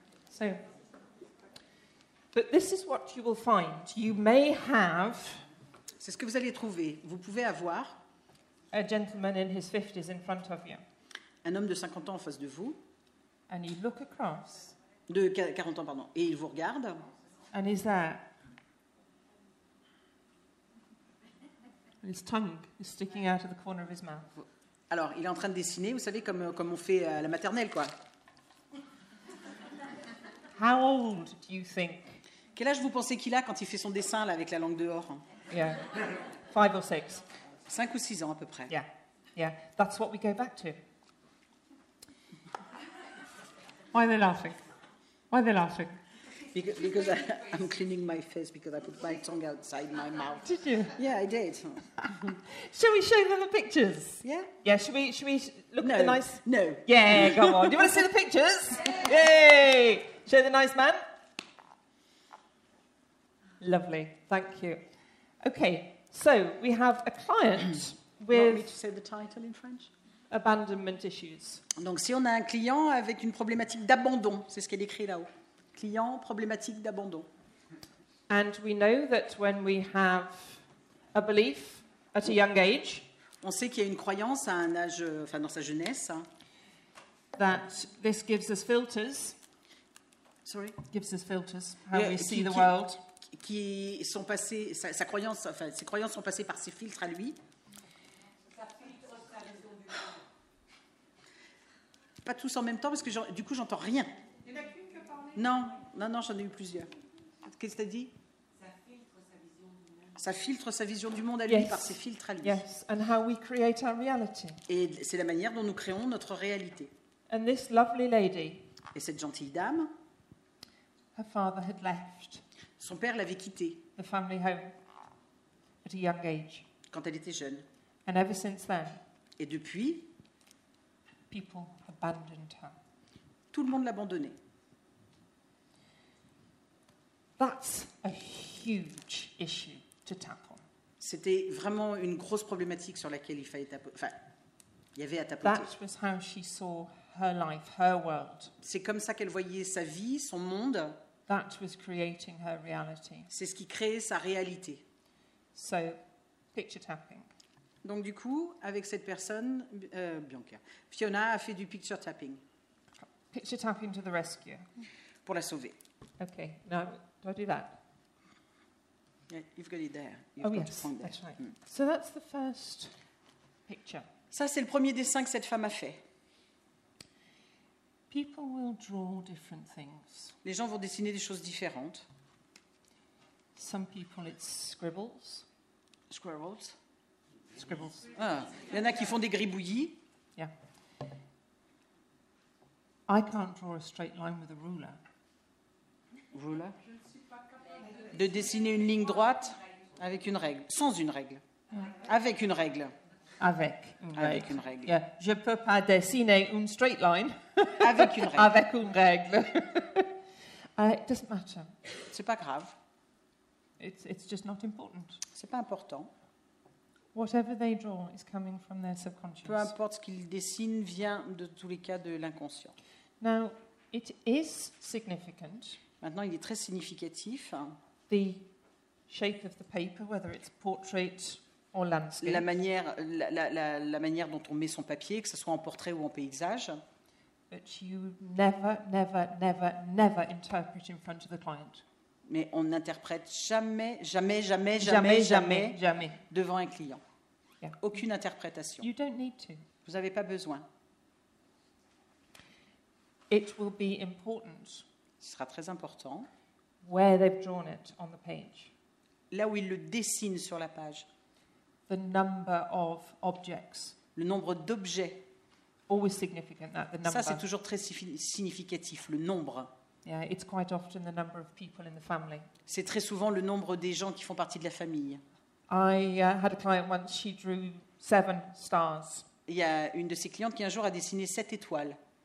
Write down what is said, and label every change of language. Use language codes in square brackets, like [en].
[en] So, but this is what you will find. You may have. [fr] C'est ce que vous allez trouver. Vous pouvez avoir. [en] A gentleman in his 50s in front of you. [fr] Un homme de 50 ans en face de vous. [en] And he look across. [fr] De 40 ans, pardon. Et il vous regarde. [en] And he's there. His tongue is sticking out of the corner of his mouth. [fr] Alors, il est en train de dessiner. Vous savez, comme on fait à la maternelle, quoi. [en] How old do you think? [fr] Quel âge vous pensez qu'il a quand il fait son dessin là avec la langue dehors? [en] Yeah, 5 or 6. [fr] 5 ou 6 ans à peu près. [en] Yeah, yeah. That's what we go back to. Why are they laughing? Why are they laughing? Because I'm cleaning my face because I put my tongue outside my mouth. Did you? Yeah, I did. Shall we show them the pictures? Yeah. Yeah. Should we look no. at the nice? No. Yeah. Come on. Do you want to see the pictures? Yay! Show the nice man. Lovely. Thank you. Okay. So we have a client with. Want me to say the title in French? Abandonment issues. [fr] Donc si on a un client avec une problématique d'abandon, c'est ce qu'elle écrit là-haut. Client problématique d'abandon. [en] And we know that when we have a belief at a young age, [fr] on sait qu'il y a une croyance à un âge, enfin dans sa jeunesse, [en] that this gives us filters. Sorry. Gives us filters how we see the world. [fr] Qui sont passés, sa croyance, enfin ses croyances sont passées par ses filtres à lui. Pas tous en même temps parce que du coup j'entends rien. Non, j'en ai eu plusieurs. Qu'est-ce que tu as dit? Ça filtre sa vision du monde. Ça filtre sa vision du monde à lui, [en] yes. [fr] Par ses filtres à lui. [en] Yes. And how we create our reality. [fr] Et c'est la manière dont nous créons notre réalité. [en] And this lovely lady, [fr] et cette gentille dame, [en] her father had left, [fr] son père l'avait quittée, [en] the family home, at a young age, [fr] quand elle était jeune. [en] And ever since then, [fr] et depuis, [en] people abandoned her. [fr] Tout le monde l'abandonnait. [en] That's a huge issue to tackle. [fr] C'était vraiment une grosse problématique sur laquelle il fallait il y avait à tapoter. [en] That was how she saw her life, her world. [fr] C'est comme ça qu'elle voyait sa vie, son monde. [en] That was creating her reality. [fr] C'est ce qui créait sa réalité. [en] So, picture tapping. [fr] Donc du coup, avec cette personne, Bianca, Fiona a fait du picture tapping. [en] Picture tapping to the rescue. [fr] Pour la sauver. [en] Okay, now. Do I do that? Yeah, you've got it there. You've got yes, to point there. That's right. So that's the first picture. [fr] Ça, c'est le premier dessin que cette femme a fait. [en] People will draw different things. [fr] Les gens vont dessiner des choses différentes. [en] Some people it's scribbles. Squirrels. Scribbles. [fr] Ah, il y en a qui font des gribouillis. [en] Yeah. I can't draw a straight line with a ruler. Ruler. [fr] De dessiner une ligne droite avec une règle, sans une règle, avec une règle. Avec une règle. Avec une règle. [en] Yeah. [fr] Je ne peux pas dessiner une [en] straight line [fr] avec une règle. Avec une règle. [en] It doesn't matter. [fr] C'est pas grave. [en] It's just not important. [fr] C'est pas important. [en] Whatever they draw is coming from their subconscious. [fr] Peu importe ce qu'ils dessinent vient de tous les cas de l'inconscient. [en] Now, it is significant. [fr] Maintenant, il est très significatif. [en] The shape of the paper, whether it's portrait or landscape. [fr] La manière dont on met son papier, que ce soit en portrait ou en paysage. [en] But you never, never, never, never interpret in front of the client. [fr] Mais on n'interprète jamais, jamais, jamais, jamais, jamais, jamais devant un client. [en] Yeah. [fr] Aucune interprétation. [en] You don't need to. [fr] Vous n'avez pas besoin. [en] It will be important. [fr] Ce sera très important. [en] Where they've drawn it on the page. [fr] Là où ils le dessinent sur la page. [en] The number of objects. [fr] Le nombre d'objets. [en] always significant, that, the number. [fr] Ça, c'est toujours très significatif, le nombre. [en] Yeah, it's quite often the number of people in the family. [fr] C'est très souvent le nombre des gens qui font partie de la famille. [en] I had a client once, she drew 7 stars. [fr] Il y a une de ses clientes qui un jour a dessiné 7 étoiles.